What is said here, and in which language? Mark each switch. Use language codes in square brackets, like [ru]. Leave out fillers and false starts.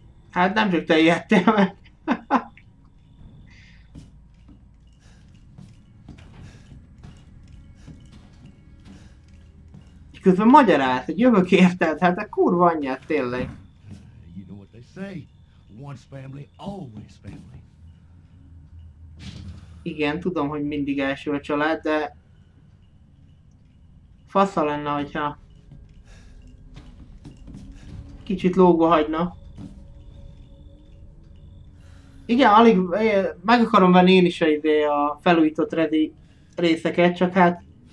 [hu] Hát nem csak te ijedtél meg. Közben magyaráz, hogy jövök érted, hát a kurva anyját tényleg. [en] You know what they say, once family, always family. [hu] Igen, tudom, hogy mindig első a család, de... fasza lenne, hogyha... kicsit lógva hagyna. Igen, alig... meg akarom venni én is a felújított Redi részeket, csak hát...